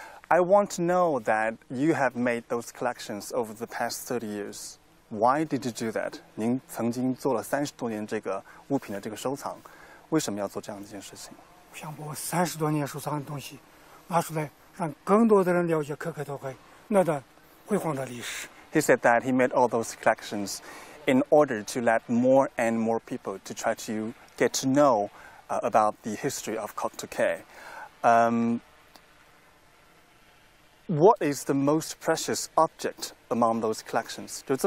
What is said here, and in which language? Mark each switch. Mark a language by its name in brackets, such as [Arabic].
[English] I want to know that you have made those collections over the past 30 years. Why did you do that? [Chinese] 您曾经做了30多年这个物品的这个收藏，为什么要做这样的一件事情？想把我30多年收藏的东西拿出来，让更多的人了解可可托克那段辉煌的历史。 [English] He said that he made all those collections in order to let more and more people to try to get to know about the history of Koktokay. What is the most precious object among those collections?